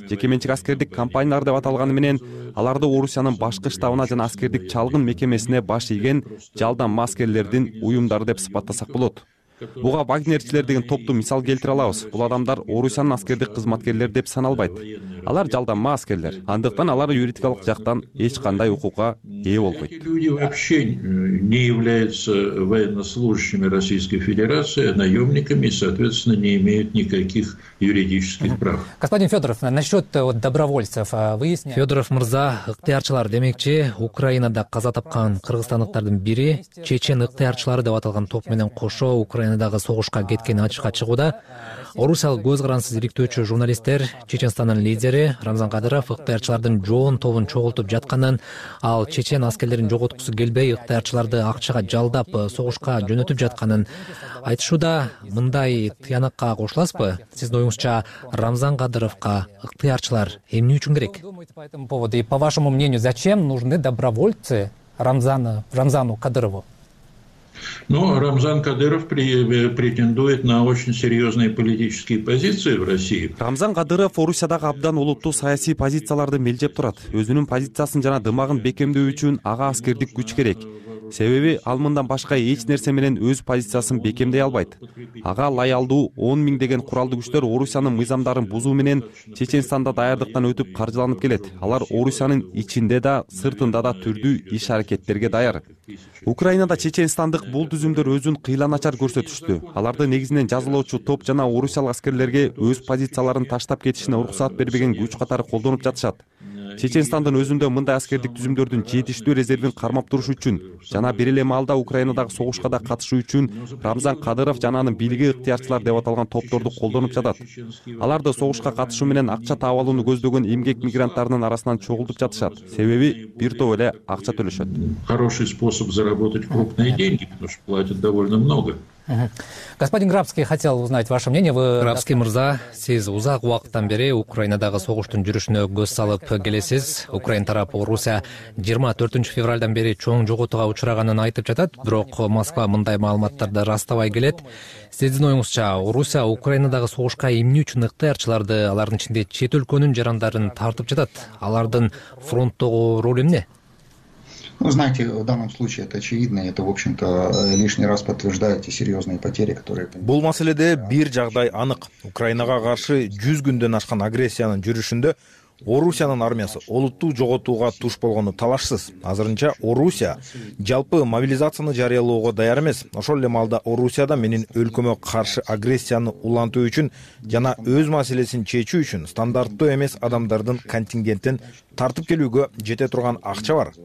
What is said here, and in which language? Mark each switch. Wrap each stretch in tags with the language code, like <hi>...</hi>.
<ky>Жеке менчик аскердик компаниялар деп аталганы менен аларды Орусиянын башкы штабына жана аскердик чалгын мекемесине баш ийген жалдамма аскерлердин уюмдары деп сыпаттасак болот. Буга вагнерчилер деген топту мисал келтире алабыз. Бул адамдар Орусиянын аскердик кызматкерлер деп саналбайт. Алар жалдамма аскерлер. Андыктан алар юридикалык жактан эч кандай укукка ээ болбойт.</ky> <ru>Люди вообще не являются военнослужащими Российской Федерации, наемниками, соответственно, не имеют никаких юридических прав. Господин Федоров, насчет добровольцев выясняем.</ru> <ky>Федоров мырза, ыктыярчылар демекчи, Украинада каза тапкан кыргызстандыктардын бири чечен ыктыярчылары деп аталган топ менен кошо Украинадагы согушка кеткени ачыкка чыгууда. Орусиялык көз карансыз иликтөөчү журналисттер Чечестандын лидери Рамзан Кадыров ыктыярчылардын жоон тобун чогултуп жатканын, ал чечен аскерлерин жоготкусу келбей ыктыярчыларды акчага жалдап согушка жөнөтүп жатканын айтышууда. Мындай тыянакка кошуласызбы? Сиздин оюңузча Рамзан Кадыровго ыктыярчылар эмне үчүн керек?</ky> <ru>По вашему мнению, зачем нужны добровольцы Рамзану Кадырову? Но Рамзан Кадыров претендует на очень серьезные политические позиции в России.</ru> <ky>Рамзан Кадыров Орусиядагы абдан улуттуу саясий позицияларды мелжеп турат. Өзүнүн позициясын жана дымагын бекемдөө үчүн ага аскердик күч керек. Себеби ал мындан башка эч нерсе менен өз позициясын бекемдей албайт. Ага лаялдуу 10,000 деген куралдуу күчтөр Орусиянын мыйзамдарын бузуу менен Чечестанда даярдыктан өтүп каржыланып келет. Алар Орусиянын ичинде да, сыртында да түрдүү иш аракеттерге даяр. Украинада чеченстандык бул түзүмдөр өзүн кыйланачар көрсөтүштү. Аларды негизинен жазалоочу топ жана орусиялык аскерлерге өз позицияларын таштап кетишине уруксат бербеген күч катары колдонуп жатышат. Чеченстандын өзүндө мындай аскердик түзүмдөрдүн жетиштүү резервин кармап туруш үчүн жана бир эле маалда Украинадагы согушка да катышуу үчүн Рамзан Кадыров жана анын бийлиги ыктыярчылар деп аталган топторду колдонуп жатат. Аларды согушка катышуу менен акча таап алууну көздөгөн эмгек мигранттарынын арасынан чогултуп жатышат. Себеби бир топ эле акча төлөшөт.</ky> <ru>Хороший способ заработать крупные деньги, потому что платят довольно много. Господин Грабский, хотел узнать ваше мнение. Вы...</ru> <ky>Грабский мырза, сиз узак убакыттан бери Украинадагы согуштун жүрүшүнө көз салып келесиз. Украина тарапы Орусия 24 февралдан бери чоң жоготууга учураганын айтып жатат, бирок Москва мындай маалыматтарды растабай келет. Сиздин оюңузча Орусия Украинадагы согушка эмне үчүн ыктыярчыларды, алардын ичинде чет өлкөнүн жарандарын тартып жатат? Алардын фронттогу ролу эмне?</ky> <ru>Ну, знаете, в данном случае это очевидно, это, в общем-то, лишний раз подтверждает серьезные потери, которые...</ru> <ky>Бул маселеде бир жагдай анык. Украинага каршы 100 күндөн ашкан агрессиянын жүрүшүндө Орусиянын армиясы олуттуу жоготууга туш болгону талашсыз. Азырынча Орусия жалпы мобилизацияны жарыялоого даяр эмес. Ошол эле маалда Орусияда менин өлкөмө каршы агрессияны улантуу үчүн жана өз маселесин чечүү үчүн стандарттуу эмес адамдардын контингентин тартып келүүгө жете турган акча бар.</ky>